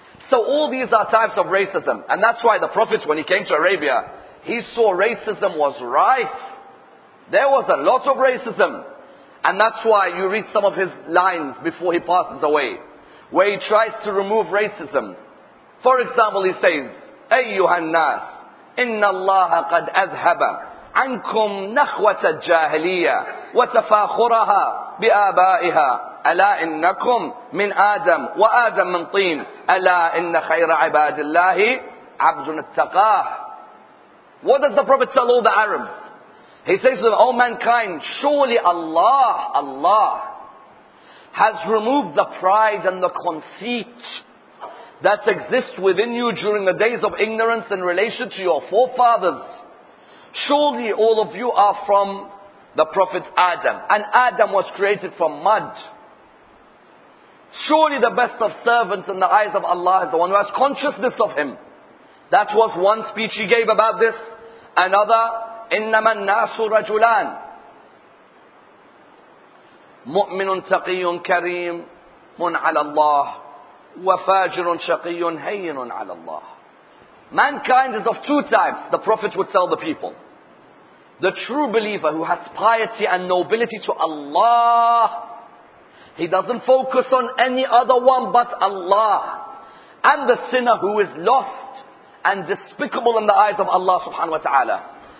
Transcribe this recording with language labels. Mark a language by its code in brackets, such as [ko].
[en] So all these are types of racism. And that's why the Prophet, when he came to Arabia, he saw racism was rife. There was a lot of racism. And that's why you read some of his lines before he passes away, where he tries to remove racism. [ar] For example, he says, أَيُّهَا النَّاسِ إِنَّ اللَّهَ قَدْ أَذْهَبَ عَنْكُمْ نَخْوَةَ الْجَاهِلِيَّةِ وَتَفَاخُرَهَا بِآبَائِهَا أَلَا إِنَّكُمْ مِنْ آدَمْ وَآدَمْ مِنْ طِينَ أَلَا إِنَّ خَيْرَ عِبَادِ اللَّهِ عَبْدٌ التَّقَاهِ. [en] What does the Prophet tell all the Arabs? He says to them, O mankind, surely Allah, Allah has removed the pride and the conceit that exists within you during the days of ignorance in relation to your forefathers. Surely all of you are from the Prophet Adam. And Adam was created from mud. Surely the best of servants in the eyes of Allah is the one who has consciousness of him. That was one speech he gave about this. [ar] Another, إِنَّمَا النَّاسُ رَجُلَانِ مُؤْمِنٌ تَقِيٌ كَرِيمٌ عَلَى اللَّهِ وَفَاجِرٌ شَقِيٌ هَيِّنٌ عَلَى اللَّهِ. [en] Mankind is of two types, the Prophet would tell the people. The true believer who has piety and nobility to Allah, he doesn't focus on any other one but Allah. And the sinner who is lost and despicable in the eyes of Allah subhanahu wa ta'ala.